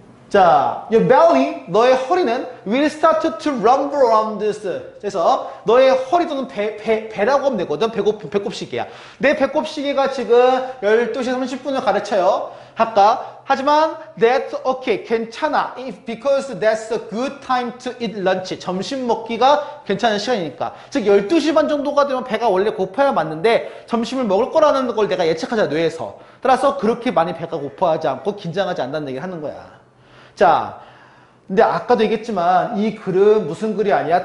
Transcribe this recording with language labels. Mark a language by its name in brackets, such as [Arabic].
[English] 자, your belly, [Korean] 너의 허리는 [English] will start to rumble around this. [Korean] 그래서 너의 허리 또는 배라고 하면 되거든. 배꼽시계야. 내 배꼽시계가 지금 12시 30분을 가르쳐요. 아까. 하지만 [English] that's okay, [Korean] 괜찮아. [English] If, because that's a good time to eat lunch. [Korean] 점심 먹기가 괜찮은 시간이니까. 즉 12시 반 정도가 되면 배가 원래 고파야 맞는데 점심을 먹을 거라는 걸 내가 예측하자, 뇌에서. 따라서 그렇게 많이 배가 고파하지 않고 긴장하지 않는다는 얘기를 하는 거야. 자, 근데 아까도 얘기했지만 이 글은 무슨 글이 아니야?